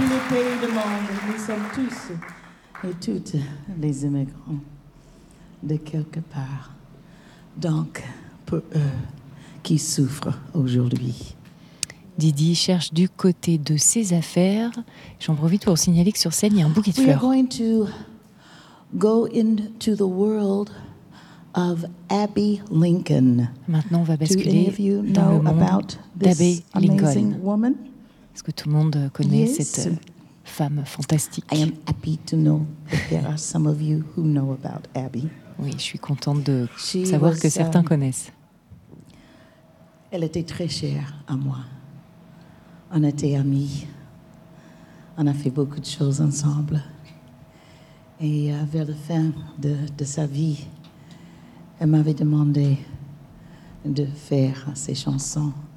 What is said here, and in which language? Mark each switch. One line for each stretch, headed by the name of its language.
French: Dans tous les pays du monde, nous sommes tous et toutes les immigrants de quelque part. Donc, pour eux qui souffrent aujourd'hui. Didi cherche du côté de ses affaires. J'en profite pour signaler que sur scène, il y a un bouquet de fleurs.
English: We are going to go into the world of Abby Lincoln.
French: Maintenant, on va basculer dans le monde d'Abby Lincoln. Est-ce que tout le monde connaît cette femme fantastique?
English: I am happy to know that there are some of you who know about Abby.
French: Oui, je suis contente de savoir que certains connaissent. Elle était très chère à moi. On était amis. On a fait beaucoup de choses ensemble. Et vers la fin de sa vie, elle m'avait demandé de faire ses chansons.